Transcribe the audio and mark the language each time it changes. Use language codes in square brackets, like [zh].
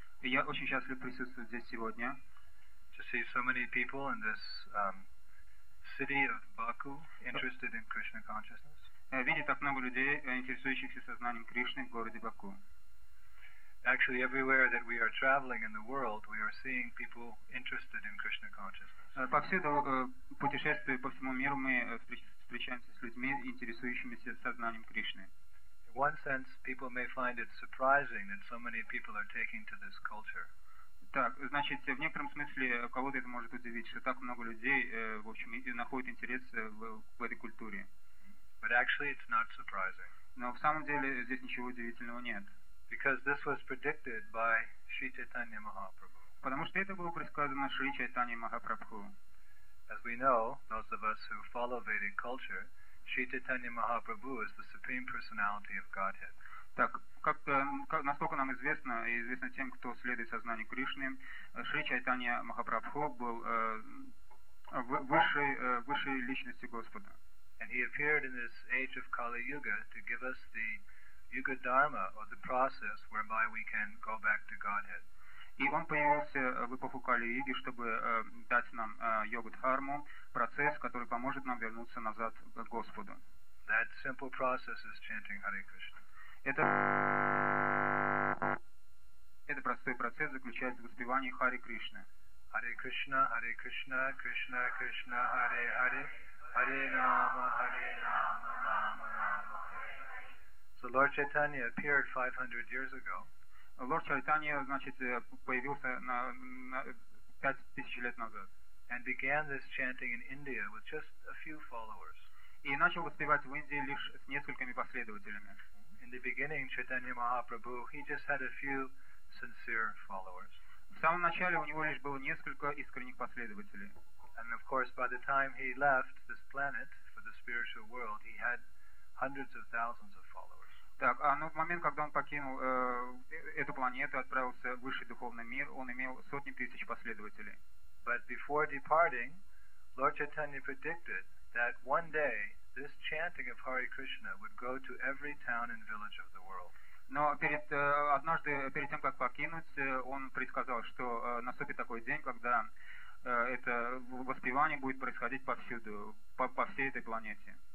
[ru] Я очень счастлив присутствовать здесь сегодня. [en] To see so many people in this city of Baku interested in Krishna consciousness. [ru] Видеть так много людей, интересующихся сознанием Кришны в городе Баку. [en] Actually, everywhere that we are traveling in the world, we are seeing people interested in Krishna consciousness. [ru] Повсюду, путешествуя по всему миру, мы встречаемся с людьми, интересующимися сознанием Кришны. [en] In one sense, people may find it surprising that so many people are taking to this culture. [ru] Так, значит, в некотором смысле кого-то это может удивить, что так много людей, в общем, находят интерес в этой культуре. [en] But actually, it's not surprising. [ru] Но в самом деле здесь ничего удивительного нет. [en] Because this was predicted by Sri Chaitanya Mahaprabhu. [ru] Потому что это было предсказано Шри Чайтанья Махапрабху. [en] As we know, those of us who follow Vedic culture, Sri Chaitanya Mahaprabhu is the supreme personality of Godhead. [ru] Так, насколько нам известно, и известно тем, кто следует сознанию Кришны, Шри Чайтанья Махапрабху был высшей личностью Господа. [en] And he appeared in this age of Kali Yuga to give us the Yuga Dharma, or the process whereby we can go back to Godhead. [ru] И он появился в эпоху Кали Юги, чтобы дать нам Йогу Дхарму, процесс, который поможет нам вернуться назад к Господу. [en] That simple process is chanting Hare Krishna. [ru] Это простой процесс заключается в воспевании Хари Кришны. [sa] Hare Krishna, Hare Krishna, Krishna Krishna, Hare Hare, Hare Rama, Hare Rama, Rama Rama. [en] So Lord Chaitanya appeared 500 years ago. [ru] Lord Chaitanya, значит, появился на 5000 лет назад. [en] And began this chanting in India with just a few followers. [ru] И начал воспевать в Индии лишь с несколькими последователями. [en] In the beginning, Chaitanya Mahaprabhu, he just had a few sincere followers. [ru] В самом начале у него лишь было несколько искренних последователей. [en] And of course, by the time he left this planet for the spiritual world, he had hundreds of thousands of followers. [ru] Так, а в момент, когда он покинул эту планету и отправился в высший духовный мир, он имел сотни тысяч последователей. [en] But before departing, Lord Chaitanya predicted that one day this chanting of Hare Krishna would go to every town and village of the world. [ru] Но перед тем, как покинуть, он предсказал, что наступит такой день, когда это воспевание будет происходить повсюду, по всей этой планете.